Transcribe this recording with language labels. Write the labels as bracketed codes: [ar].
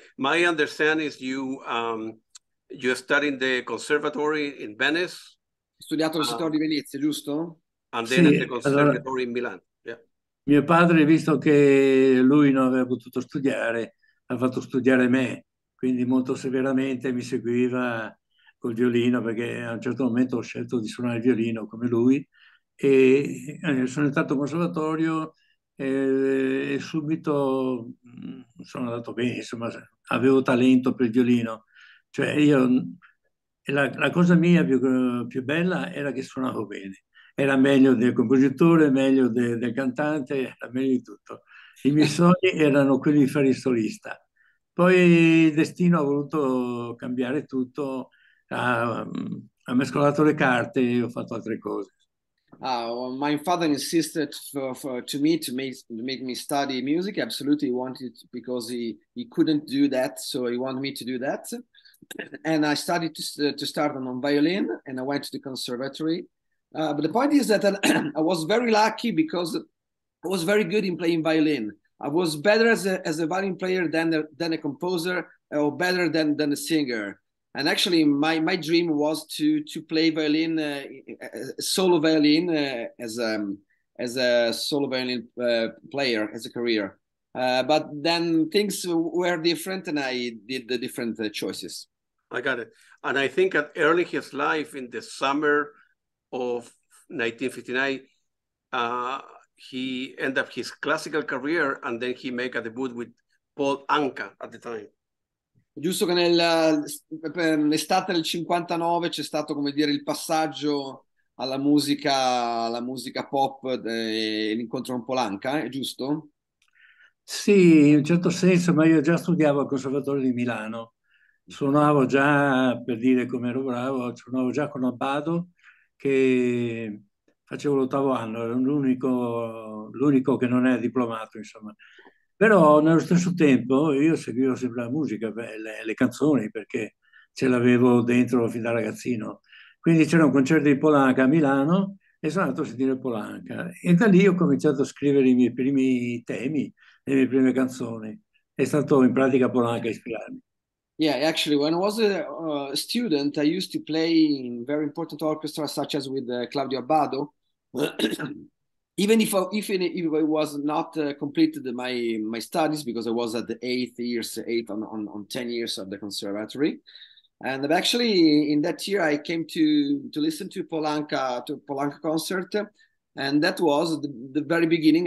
[en] My understanding is you studied in the conservatory in Venice. [it] Studiato al settore di Venezia, giusto? [en] And then [it] sì, [en] at the conservatory in Milan. Yeah. [it] Mio padre, visto che lui non aveva potuto studiare, ha fatto studiare me, quindi molto severamente mi seguiva col violino, perché a un certo momento ho scelto di suonare il violino come lui. E sono entrato al conservatorio e subito sono andato bene, insomma, avevo talento per il violino. Cioè io, la cosa mia più bella era che suonavo bene. Era meglio del compositore, meglio del cantante, era meglio di tutto. I miei sogni erano quelli di fare il solista. Poi il destino ha voluto cambiare tutto, ha mescolato le carte e ho fatto altre cose. [en] My father insisted to make me study music. Absolutely, he wanted, because he couldn't do that, so he wanted me to do that. And I started to start on violin, and I went to the conservatory. But the point is that I was very lucky because I was very good in playing violin. I was better as a violin player than a composer, or better than a singer. And actually, my dream was to play violin, solo violin, as a solo violin player, as a career. But then things were different, and I did the different choices. I got it. And I think at early his life, in the summer of 1959, he ended up his classical career, and then he made a debut with Paul Anka at the time. [it] Giusto che nell'estate del 59 c'è stato, come dire, il passaggio alla musica pop e l'incontro con Polanca, è giusto? Sì, in un certo senso, ma io già studiavo al Conservatorio di Milano, suonavo già, per dire come ero bravo, suonavo già con Abbado, che facevo l'ottavo anno, ero l'unico che non è diplomato, insomma. Però nello stesso tempo io seguivo sempre la musica, le canzoni, perché ce l'avevo dentro fin da ragazzino. Quindi c'era un concerto di Polanca a Milano e sono andato a sentire Polanca. E da lì ho cominciato a scrivere i miei primi temi, le mie prime canzoni. È stato in pratica Polanca a ispirarmi. [en] Yeah, actually, when I was a student, I used to play in very important orchestras such as with Claudio Abbado. Even if I was not completed my studies, because I was at the eighth on 10 years of the conservatory, and actually in that year I came to listen to Polanka concert, and that was the very beginning.